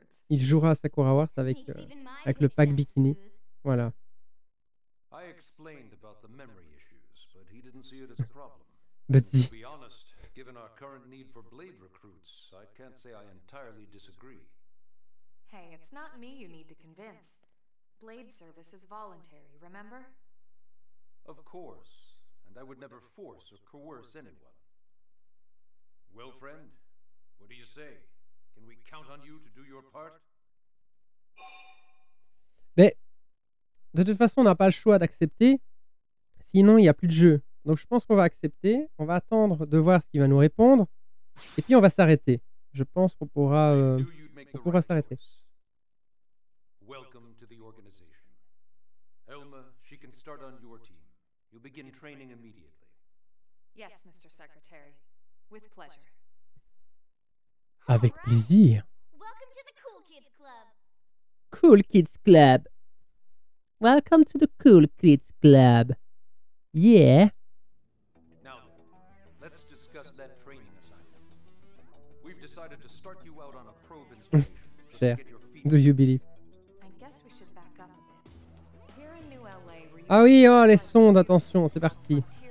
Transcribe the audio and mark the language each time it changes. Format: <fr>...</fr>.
<fr>Il jouera à Sakura War avec avec le pack bikini. Voilà.</fr> <en>I explained about the memory issues, but he didn't see it as a problem. But to be honest, given our current need for Blade recruits, I can't say I entirely disagree. Hey, it's not me you need to convince. Blade service is voluntary, remember? Of course, and I would never force or coerce anyone. Well, friend, what do you say? Can we count on you to do your part?</en> <fr>Mais de toute façon, on n'a pas le choix d'accepter. Sinon, il n'y a plus de jeu. Donc, je pense qu'on va accepter. On va attendre de voir ce qu'il va nous répondre. Et puis, on va s'arrêter. Je pense qu'on pourra, s'arrêter.</fr> <en>Welcome to the organization. Elma, she can start on your team. You begin training immediately. Yes, Mr. Secretary. With pleasure.</en> <fr>Avec plaisir.</fr> <en>Welcome to the Cool Kids Club. Cool Kids Club. Welcome to the Cool Kids Club. Yeah. Now, let's discuss that training assignment. We've decided to start you out on a probe installation. Do you believe? I guess we should back up a bit. Here in New LA,</en> <fr>ah oui, oh, les sondes, attention, c'est parti.</fr>